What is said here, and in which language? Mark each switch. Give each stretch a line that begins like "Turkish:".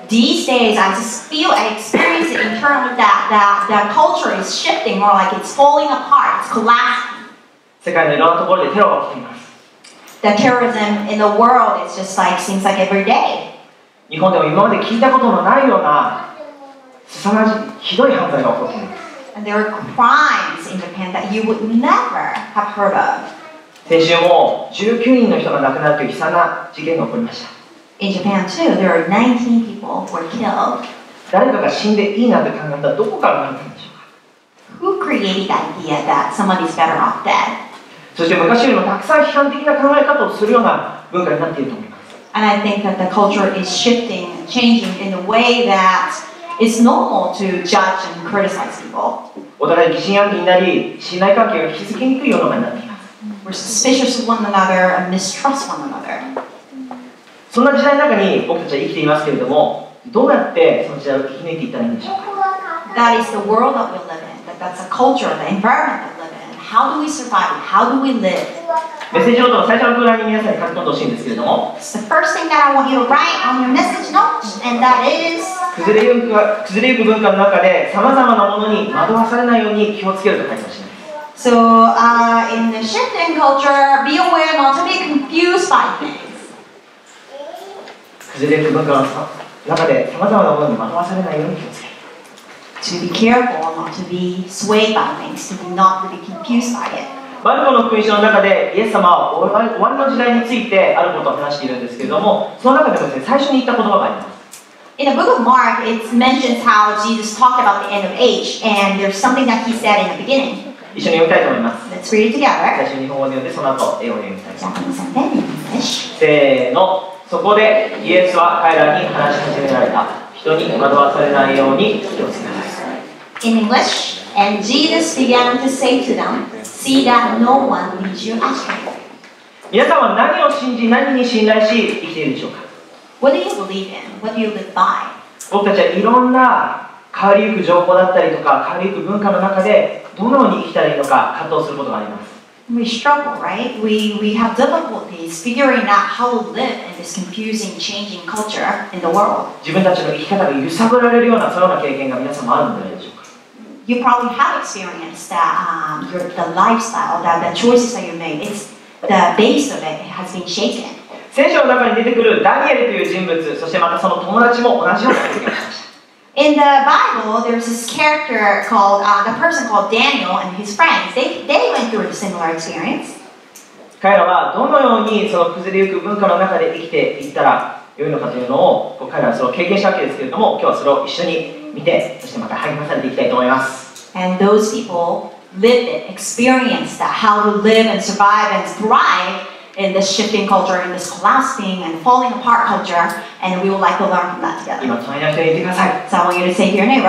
English: These days, I just feel and experience it internally that the culture is shifting, more like it's falling apart, it's collapsing. The terrorism in the world is just like seems like every day. And there are crimes in Japan that you would never have heard of.
Japanese: 先週も19人の人が亡くなるという悲惨な事件が起こりました。
English: In Japan too, there are 19 people who were killed.
Japanese: 誰かが死んでいいなんて考えたらどこからなったんでしょうか。
English: Who created the idea that somebody is better off dead?
Japanese: そして昔よりもたくさん批判的な考え方をするような文化になっていると思います。
English: And I think that the culture is shifting and changing in a way that it's normal to judge and criticize people.
Japanese: お互い疑心暗鬼になり、信頼関係が築きにくい世の中になっています。
English: Suspicious of one another and mistrust one another.
Japanese: そんな時代の中に僕たちは生きていますけれども、どうやってその時代を生き抜いていったらいいんでしょうか。
English: That is the world that we live in. That's a culture, the environment that we live in. How do we survive? How do we live?
Japanese: メッセージの最初の部分に皆さんに書き込んでほしいんですけれども。
English: The first thing that I want you to write on your message note, and that is.
Japanese: 崩れゆく文化の中で様々なものに惑わされないように気をつけると書いてほしい。
English: So, in the shifting culture, be aware not to be confused by things.
Japanese: 崩れる文化の中で様々なものに惑わされないように気をつける。
English: To be careful not to be swayed by things, to be not to be confused by it.
Japanese: マルコの福音書の中でイエス様は終わりの時代についてあることを話しているんですけれども、その中でですね、最初に言った言葉があります。
English: In the book of Mark, it mentions how Jesus talked about the end of age, and there's something that he said in the beginning.
Japanese: 一緒に読みたいと思います。
English: Let's read it together.
Japanese: 最初に日本語で読んで、その後英語で読みたいと思います。せーの。そこでイエスは彼らに話し始められた。人に惑わされないように気をつけなさい。
English: In English, and Jesus began to say to them, See that no one leads you astray.
Japanese: 皆さんは何を信じ、何に信頼し生きているでしょうか。
English: What do you believe in? What do you live by?
Japanese: 僕たちはいろんな変わりゆく情報だったりとか、変わりゆく文化の中で、どのように生きたらいいのか葛藤することがあります。
English: We struggle, right? We have difficulties figuring out how to live in this confusing, changing culture in the world.
Japanese: 自分たちの生き方が揺さぶられるようなそのような経験が皆さんもあるんじゃないでしょうか。
English: You probably have experienced that the lifestyle, that the choices that you made, it's the base of it has been shaken.
Japanese: 聖書の中に出てくるダニエルという人物、そしてまたその友達も同じような経験をしました。
English: In the Bible, there's this character called the person called Daniel and his friends. They went through a similar experience.
Japanese: 彼らはどのようにその崩れゆく文化の中で生きていったらよいのかというのを彼らはそれを経験したわけですけれども、今日はそれを一緒に見て、そしてまた励まされていきたいと思います。
English: And those people lived it, experienced that how to live and survive and thrive in this shifting culture, in this collapsing and falling apart culture. And we would like to learn from that together. So I want you to say to your neighbor,